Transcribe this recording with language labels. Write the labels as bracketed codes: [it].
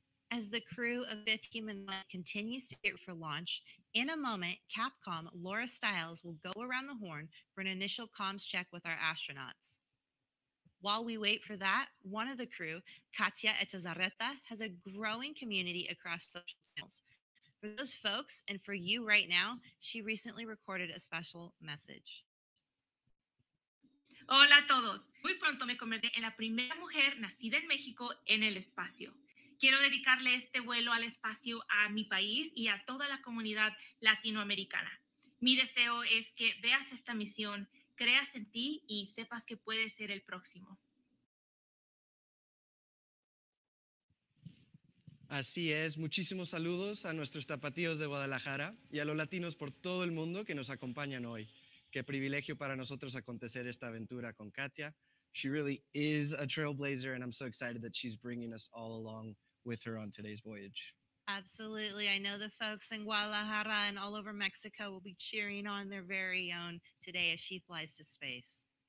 [en] As the crew of Fifth Human Life continues to get for launch, in a moment, Capcom Laura Stiles will go around the horn for an initial comms check with our astronauts. While we wait for that, one of the crew, Katia Echazarreta, has a growing community across social channels. For those folks, and for you right now, she recently recorded a special message. [es] Hola a todos. Muy pronto me convertiré en la primera mujer nacida en México en el espacio. Quiero dedicarle este vuelo al espacio a mi país y a toda la comunidad latinoamericana. Mi deseo es que veas esta misión, creas en ti y sepas que puedes ser el próximo. Así es. Muchísimos saludos a nuestros tapatíos de Guadalajara y a los latinos por todo el mundo que nos acompañan hoy. Qué privilegio para nosotros acontecer esta aventura con Katia. [en] She really is a trailblazer and I'm so excited that she's bringing us all along with her on today's voyage. Absolutely. I know the folks in Guadalajara and all over Mexico will be cheering on their very own today as she flies to space.